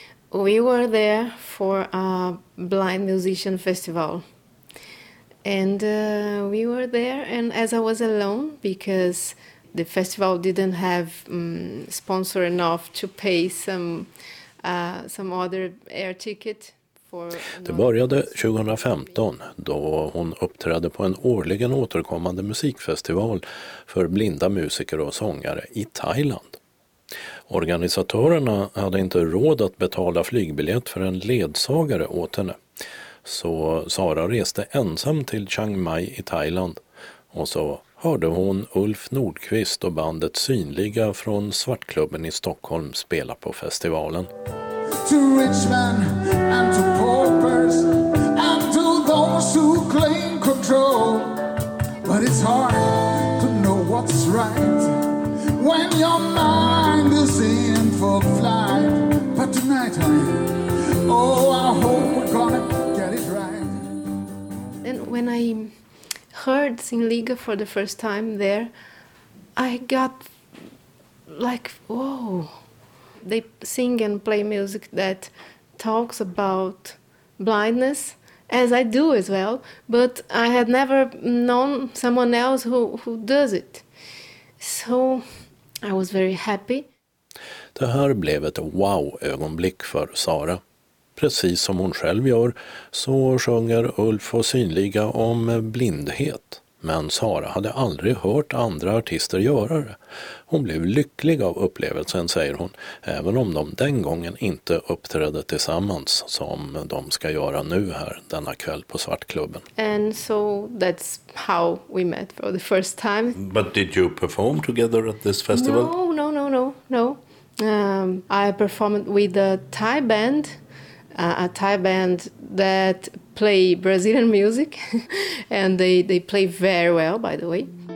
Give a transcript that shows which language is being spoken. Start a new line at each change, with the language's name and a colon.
English: We were there for a blind musician festival. And we were there and as I was alone because the festival didn't have sponsor enough to pay some other air ticket for.
Swedish: Det började 2015 då hon uppträdde på en årligen återkommande musikfestival för blinda musiker och sångare i Thailand. Organisatörerna hade inte råd att betala flygbiljett för en ledsagare åt henne. Så Sara reste ensam till Chiang Mai i Thailand och så hörde hon Ulf Nordqvist och bandet Synliga från Svartklubben i Stockholm spela på festivalen.
English: To rich men and to paupers and to those who claim control. But it's hard to know what's right when your mind is in for flight. But tonight I, oh, I hope we're gonna get it right. And when I heard Synliga for the first time there, I got like, whoa. They sing and play music that talks about blindness, as I do as well, but I had never known someone else who does it. So I was very happy.
Swedish: Det här blev ett wow-ögonblick för Sara. Precis som hon själv gör så sjunger Ulf och Synliga om blindhet. Men Sara hade aldrig hört andra artister göra det. Hon blev lycklig av upplevelsen, säger hon, även om de den gången inte uppträdde tillsammans som de ska göra nu här denna kväll på Svartklubben.
English: And so that's how we met for the first time. But did you perform together at this festival? No. I performed with a Thai band. A Thai band that play Brazilian music and they play very well, by the way.